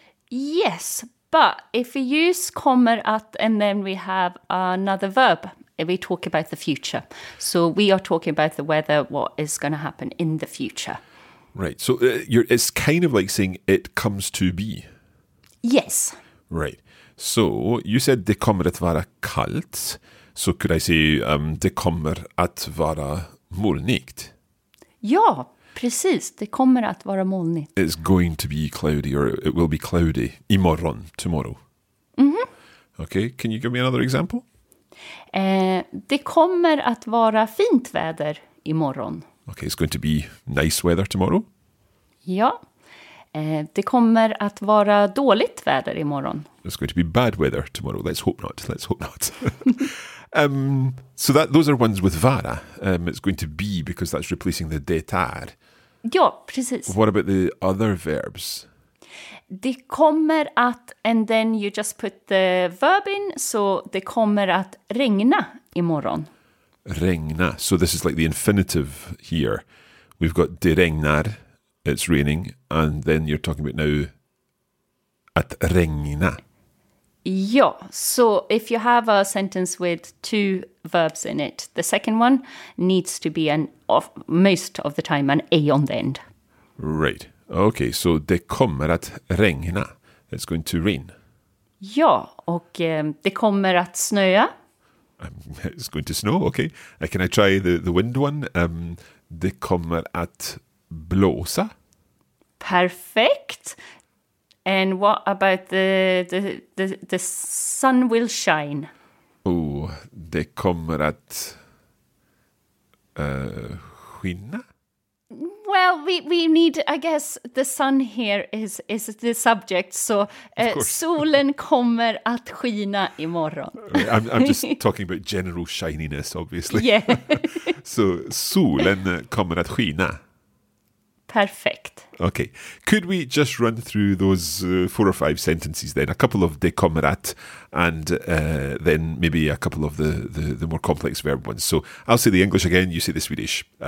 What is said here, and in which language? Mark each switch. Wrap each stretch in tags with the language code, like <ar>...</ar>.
<en>Yes, but if we use kommer att and then we have another verb, we talk about the future. So we are talking about the weather, what is going to happen in the future. Right. So it's kind of like saying it comes to be. Yes. Right. So you said</en> <sv>det kommer att vara kallt.</sv> <en>So could I say</en> <sv>det kommer att vara molnigt? Ja, precis. Det kommer att vara molnigt.</sv> <en>It's going to be cloudy or it will be cloudy imorgon, tomorrow. Mm-hmm. Okay. Can you give me another example?</en> <sv>Det kommer att vara fint väder imorgon.</sv> <en>Okay, it's going to be nice weather tomorrow.</en> <sv>Ja, det kommer att vara dåligt väder imorgon.</sv> <en>It's going to be bad weather tomorrow. Let's hope not. So those are ones with vara. It's going to be because that's replacing the det är.</en> <sv>Ja, precis.</sv> <en>What about the other verbs?</en> <sv>Det kommer att,</sv> <en>and then you just put the verb in, so</en> <sv>det kommer att regna imorgon.</sv> <en>Regna, so this is like the infinitive here. We've got</en> <sv>det regnar,</sv> <en>it's raining, and then you're talking about now</en> <sv>att regna.</sv> <en>Ja, so if you have a sentence with two verbs in it, the second one needs to be most of the time an A on the end. Right. Okay, so</en> <sv>det kommer att regna.</sv> <en>It's going to rain.</en> <sv>Ja, och det kommer att snöa.</sv> <en>It's going to snow, okay. Can I try the wind one?</en> <sv>Det kommer att blåsa. Perfekt.</sv> <en>And what about the sun will shine?</en> <sv>Oh, det kommer att skina.</sv> <en>Well, we need, I guess, the sun here is the subject. So,</en> <sv>solen kommer att skina imorgon.</sv> <en>I'm just talking about general shininess, obviously. Yeah. So,</en> <sv>solen kommer att skina.</sv> <en>Perfect. Okay. Could we just run through those four or five sentences then? A couple of</en> <sv>de kommer att</sv> <en>and then maybe a couple of the more complex verb ones. So I'll say the English again, you say the Swedish.</en>